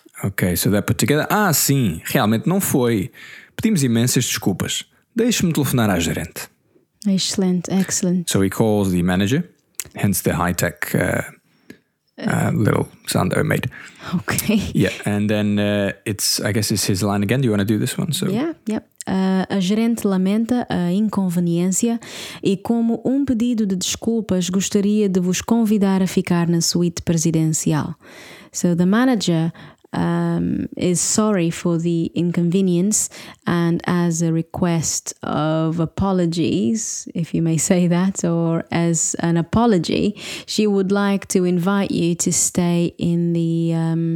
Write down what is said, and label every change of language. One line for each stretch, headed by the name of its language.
English: Okay, so that put together.
Portuguese: Ah, sim, realmente não foi. Pedimos imensas desculpas. Deixe-me telefonar à gerente.
English: Excellent, excellent. So he calls the manager, hence the high-tech little sound that I made. Okay. Yeah, and then it's his line again. Do you want to do this one? So. Yeah, yeah.
Portuguese: A gerente lamenta a inconveniência e como um pedido de desculpas gostaria de vos convidar a ficar na suite presidencial.
English: So the manager is sorry for the inconvenience and as a request of apologies, if you may say that, or as an apology, she would like to invite you to stay in the